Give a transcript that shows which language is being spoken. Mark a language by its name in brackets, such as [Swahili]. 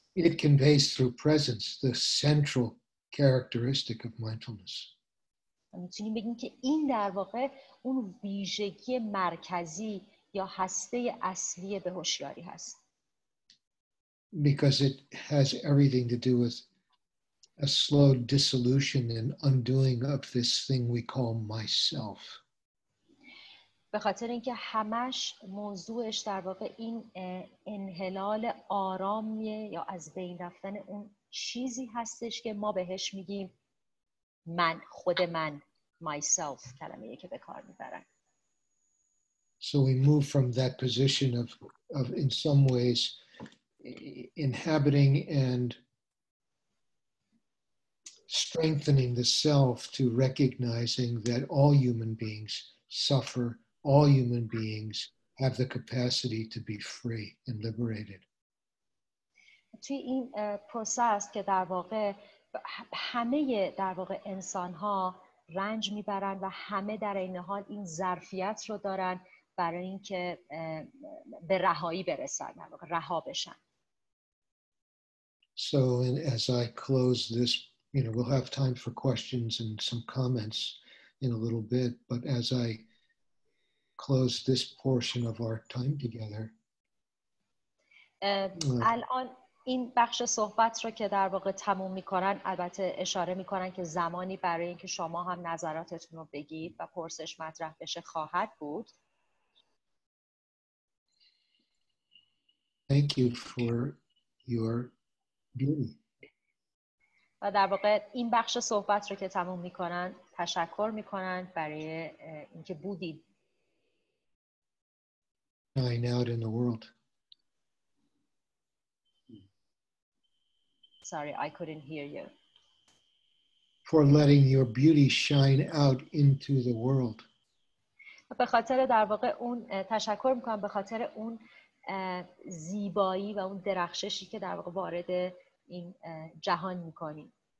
[English] It conveys through presence the central characteristic of mindfulness. [Persian] می‌تونیم بگیم که این در واقع اون ویژگی مرکزی یا هسته اصلی به هوشیاری هست. [English] because it has everything to do with a slow dissolution and undoing of this thing we call myself. [Persian] به خاطر اینکه همش موضوعش در واقع این انحلال آرامیه یا از بین رفتن اون چیزی هستش که ما بهش میگیم من، خود من، myself، کلمه‌ای که به کار می‌برن. [English] So we move from that position of in some ways inhabiting and strengthening the self to recognizing that all human beings suffer, all human beings have the capacity to be free and liberated. [Persian] توی این پروسس که در واقع همه در واقع انسان‌ها رنج می‌برن و همه در این حال این ظرفیت رو دارن برای اینکه به رهایی برسن، در واقع رها بشن. [English] So and as I close this, you know, we'll have time for questions and some comments in a little bit, but as I close this portion of our time together. [Persian] الان این بخش صحبت رو که در واقع تموم می‌کنن، البته اشاره می‌کنن که زمانی برای اینکه شما هم نظراتتون رو بگید و پرسش مطرح بشه خواهد بود. [English] Thank you for your beauty. [Persian] و در واقع این بخش صحبت رو که تموم می‌کنن، تشکر می‌کنن برای اینکه بودید. [English] Shine out in the world. Sorry, I couldn't hear you. For letting your beauty shine out into the world. [Persian] به خاطر در واقع اون تشکر می‌کنم به خاطر اون زیبایی و اون درخششی که در واقع وارد این جهان می‌کنی.